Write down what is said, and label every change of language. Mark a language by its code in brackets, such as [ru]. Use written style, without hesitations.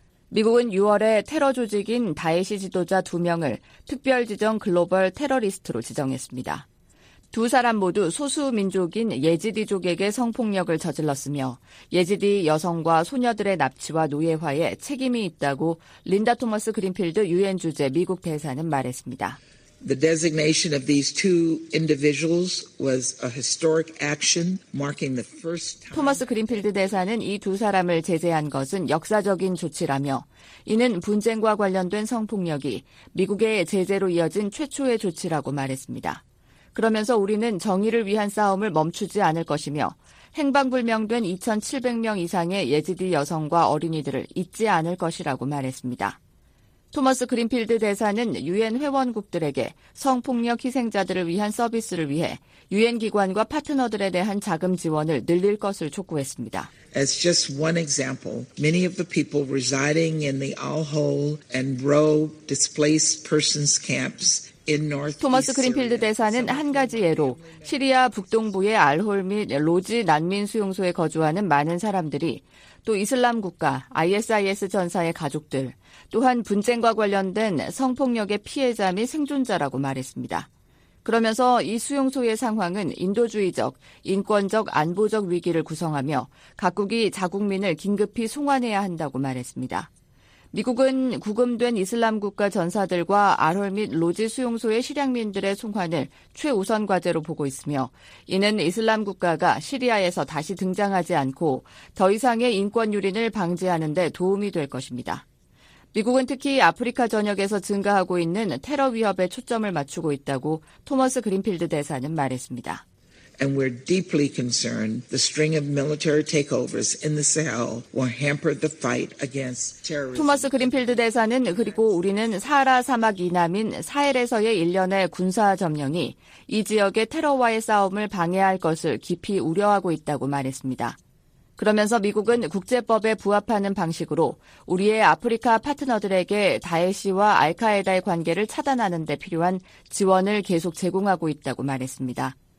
[ko] 미국은 6월에 테러 조직인 다에시 지도자 2명을 특별지정 글로벌 테러리스트로 지정했습니다. 두 사람 모두 소수 민족인 예지디족에게 성폭력을 저질렀으며 예지디 여성과 소녀들의 납치와 노예화에 책임이 있다고 린다 토머스 그린필드 유엔 주재 미국 대사는 말했습니다. [en] The designation of these two individuals was a historic action marking the first time. [ko] 토머스 그린필드 대사는 이 두 사람을 제재한 것은 역사적인 조치라며 이는 분쟁과 관련된 성폭력이 미국의 제재로 이어진 최초의 조치라고 말했습니다. 그러면서 우리는 정의를 위한 싸움을 멈추지 않을 것이며 행방불명된 2,700명 이상의 예지디 여성과 어린이들을 잊지 않을 것이라고 말했습니다. 토머스 그린필드 대사는 유엔 회원국들에게 성폭력 희생자들을 위한 서비스를 위해 유엔 기관과 파트너들에 대한 자금 지원을 늘릴 것을 촉구했습니다. [en] As just one example, many of the people residing in the Al-Hol and Roe displaced persons camps [ko] 토머스 그린필드 대사는 한 가지 예로 시리아 북동부의 알홀 및 로지 난민 수용소에 거주하는 많은 사람들이 또 이슬람 국가 ISIS 전사의 가족들 또한 분쟁과 관련된 성폭력의 피해자 및 생존자라고 말했습니다. 그러면서 이 수용소의 상황은 인도주의적, 인권적, 안보적 위기를 구성하며 각국이 자국민을 긴급히 송환해야 한다고 말했습니다. 미국은 구금된 이슬람 국가 전사들과 알홀 및 로지 수용소의 실향민들의 송환을 최우선 과제로 보고 있으며 이는 이슬람 국가가 시리아에서 다시 등장하지 않고 더 이상의 인권 유린을 방지하는 데 도움이 될 것입니다. 미국은 특히 아프리카 전역에서 증가하고 있는 테러 위협에 초점을 맞추고 있다고 토머스 그린필드 대사는 말했습니다. [en] And we're deeply concerned the string of military takeovers in the Sahel will hamper the fight against terrorism. [ko] 토머스 그린필드 대사는 그리고 우리는 사하라 사막 이남인 사헬에서의 일련의 군사 점령이 이 지역의 테러와의 싸움을 방해할 것을 깊이 우려하고 있다고 말했습니다. 그러면서 미국은 국제법에 부합하는 방식으로 우리의 아프리카 파트너들에게 다에시와 알카에다의 관계를 차단하는 데 필요한 지원을 계속 제공하고 있다고 말했습니다.